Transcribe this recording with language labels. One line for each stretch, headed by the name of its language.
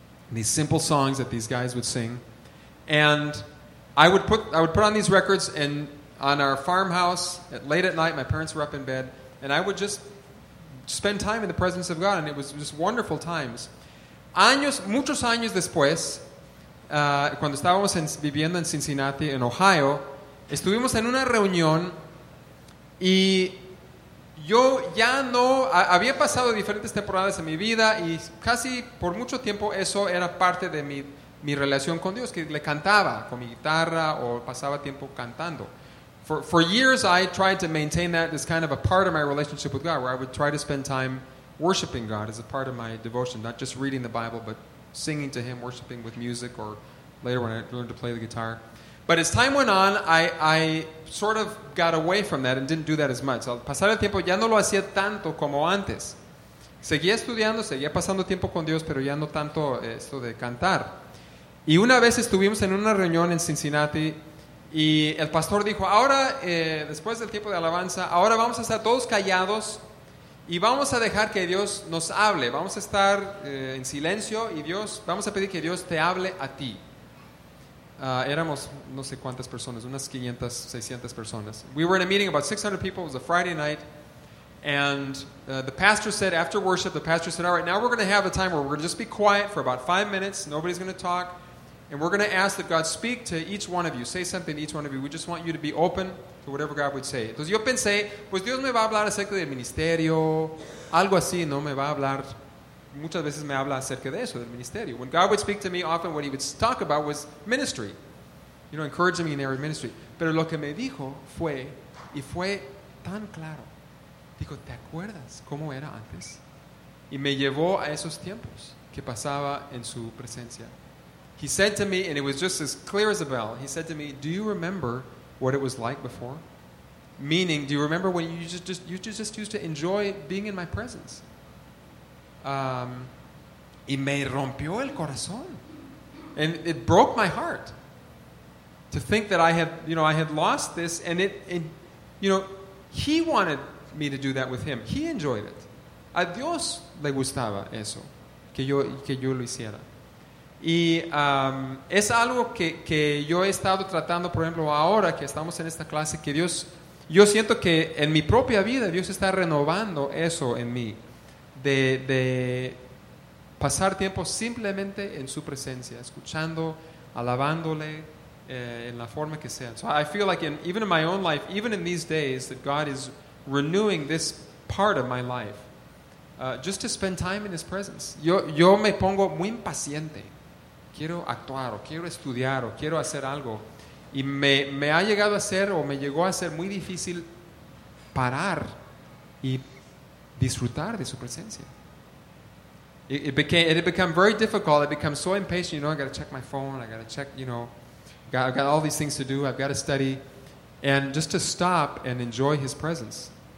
English: These simple songs that these guys would sing. And I would put on these records, and on our farmhouse at late at night, my parents were up in bed, and I would just spend time in the presence of God, and it was just wonderful times.
Spanish: Años, muchos años después, cuando estábamos viviendo en Cincinnati, en Ohio, estuvimos en una reunión, y yo ya no, había pasado diferentes temporadas en mi vida, y casi por mucho tiempo eso era parte de mi relación con Dios, que le cantaba con mi guitarra o pasaba tiempo cantando.
English: For years, I tried to maintain that as kind of a part of my relationship with God, where I would try to spend time worshiping God as a part of my devotion, not just reading the Bible, but singing to Him, worshiping with music, or later when I learned to play the guitar. But as time went on, I sort of got away from that and didn't do that as much.
Spanish: Al pasar el tiempo, ya no lo hacía tanto como antes. Seguía estudiando, seguía pasando tiempo con Dios, pero ya no tanto esto de cantar. Y una vez estuvimos en una reunión en Cincinnati, y el pastor dijo, ahora, después del tiempo de alabanza, ahora vamos a estar todos callados y vamos a dejar que Dios nos hable. Vamos a estar en silencio y Dios, vamos a pedir que Dios te hable a ti. Éramos no sé cuántas personas, unas 500, 600 personas.
English: We were in a meeting, about 600 people, it was a Friday night. And the pastor said, after worship, the pastor said, all right, now we're going to have a time where we're going to just be quiet for about 5 minutes. Nobody's going to talk. And we're going to ask that God speak to each one of you. Say something to each one of you. We just want you to be open to whatever God would say.
Spanish: Entonces yo pensé, pues Dios me va a hablar acerca del ministerio. Algo así, no me va a hablar. Muchas veces me habla acerca de eso, del ministerio.
English: When God would speak to me, often what He would talk about was ministry. You know, encouraging me in every ministry.
Spanish: Pero lo que me dijo fue, y fue tan claro. Dijo, ¿te acuerdas cómo era antes? Y me llevó a esos tiempos que pasaba en su presencia.
English: He said to me, and it was just as clear as a bell, he said to me, do you remember what it was like before? Meaning, do you remember when you just used to enjoy being in my presence?
Spanish: Y me rompió el corazón.
English: And it broke my heart to think that I had lost this. And he wanted me to do that with him. He enjoyed it.
Spanish: A Dios le gustaba eso, que yo lo hiciera. Y es algo que yo he estado tratando, por ejemplo, ahora que estamos en esta clase, que Dios, yo siento que en mi propia vida Dios está renovando eso en mí, de pasar tiempo simplemente en su presencia, escuchando, alabándole en la forma que sea.
English: So I feel like even in my own life, even in these days, that God is renewing this part of my life, just to spend time in His presence.
Spanish: Yo me pongo muy impaciente quiero actuar o quiero estudiar o quiero hacer algo. Y me ha llegado a ser o me llegó a ser muy difícil parar y disfrutar de su presencia.
English: It became very difficult. I become so impatient. You know, I got to check my phone. I got to check, you know, I've got all these things to do. I've got to study. And just to stop and enjoy his presence.